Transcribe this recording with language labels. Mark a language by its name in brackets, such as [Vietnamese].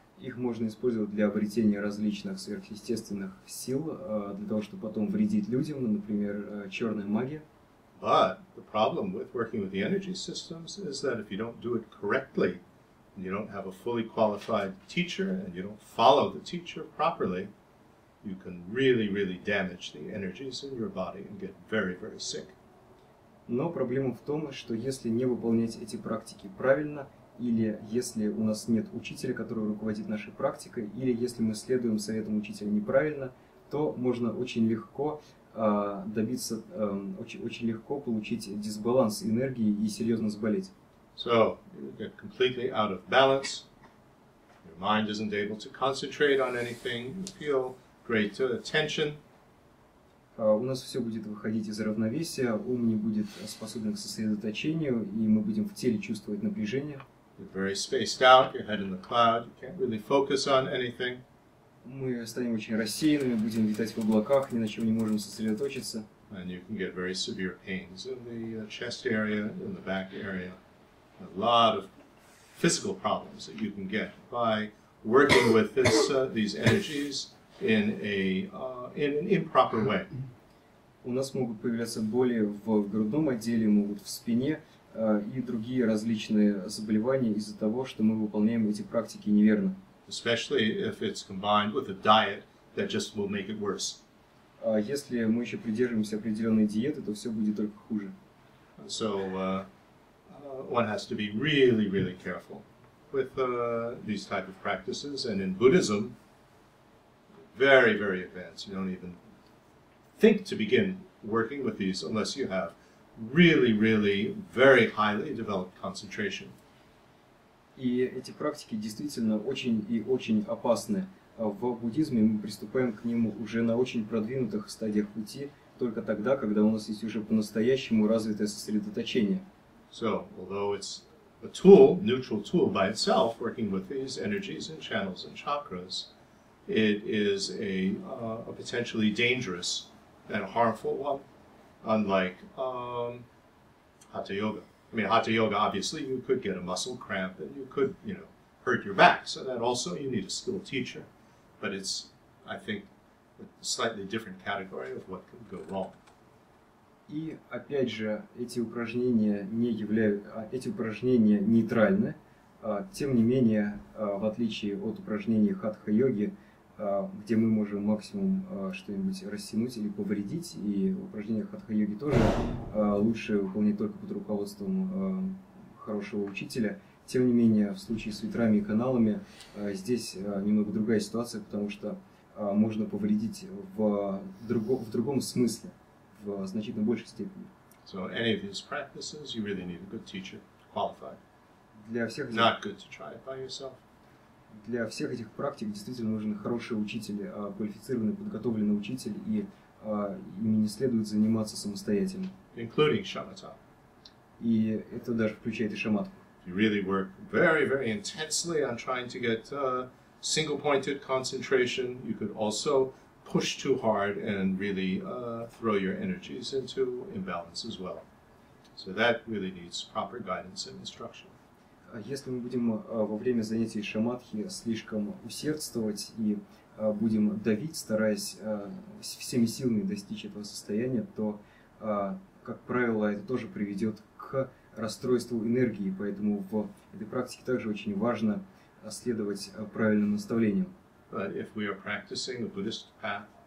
[Russian] их можно использовать для обретения различных сверхъестественных сил, для того, чтобы потом вредить людям, ну, например, черная магия. [English] But the problem with working with the energy systems is that if you don't do it correctly, and you don't have a fully qualified teacher, and you don't follow the teacher properly, you can really, really damage the energies in your body and get very, very sick. [Russian] Но проблема в том, что если не выполнять эти практики правильно, или если у нас нет учителя, который руководит нашей практикой, или если мы следуем советам учителя неправильно, то можно очень легко добиться, очень легко получить дисбаланс энергии и серьезно заболеть. [English] So, you get completely out of balance, your mind isn't able to concentrate on anything, you feel great tension. [Russian] У нас все будет выходить из равновесия, ум не будет способен к сосредоточению, и мы будем в теле чувствовать напряжение. [English] You're very spaced out, your head in the cloud, you can't really focus on anything. [Russian] Мы станем очень рассеянными, будем витать в облаках, ни на чем не можем сосредоточиться. [English] And you can get very severe pains in the chest area, in the back area. A lot of physical problems that you can get by working with this, these energies in a in an improper way. [Russian] У нас могут появляться боли в грудном отделе, могут в спине, и другие различные заболевания из-за того, что мы выполняем эти практики неверно. [English] Especially if it's combined with a diet that just will make it worse. [Russian] Если мы еще придерживаемся определенной диеты, то все будет только хуже. [English] So one has to be really, really careful with these type of practices. And in Buddhism, very, very advanced. You don't even think to begin working with these unless you have really, really very highly developed concentration. [Russian] И эти практики действительно очень и очень опасны. В буддизме мы приступаем к ним уже на очень продвинутых стадиях пути, только тогда, когда у нас есть уже по-настоящему развитое сосредоточение. [English] So, although it's a tool, neutral tool by itself, working with these energies and channels and chakras, it is a potentially dangerous and harmful one, unlike Hatha Yoga. I mean, Hatha Yoga, obviously, you could get a muscle cramp and you could, you know, hurt your back. So that also, you need a skilled teacher. But it's, I think, a slightly different category of what could go wrong. [Russian] И, опять же, эти упражнения нейтральны. Тем не менее, в отличие от упражнений Хатха-йоги, где мы можем максимум что-нибудь растянуть или повредить, и упражнения хатха-йоги тоже лучше выполнить только под руководством хорошего учителя. Тем не менее, в случае с ветрами и каналами здесь немного другая ситуация, потому что можно повредить в другом смысле, в значительно большей степени. [English] So any of these practices, you really need a good teacher, qualified. [Russian] Для всех... [English] Not good to try it by yourself. [Russian] Для всех этих практик действительно нужен хороший учитель, квалифицированный, подготовленный учитель, и ими не следует заниматься самостоятельно. [English] Including shamatha. [Russian] И это даже включает и шаматку. [English] You really work very, very intensely on trying to get single-pointed concentration. You could also push too hard and really throw your energies into imbalance as well. So that really needs proper guidance and instruction. [Russian] Если мы будем во время занятий шамадхи слишком усердствовать и будем давить, стараясь всеми силами достичь этого состояния, то, как правило, это тоже приведет к расстройству энергии. Поэтому в этой практике также очень важно следовать правильным наставлениям. [English] But if we are practicing a Buddhist path,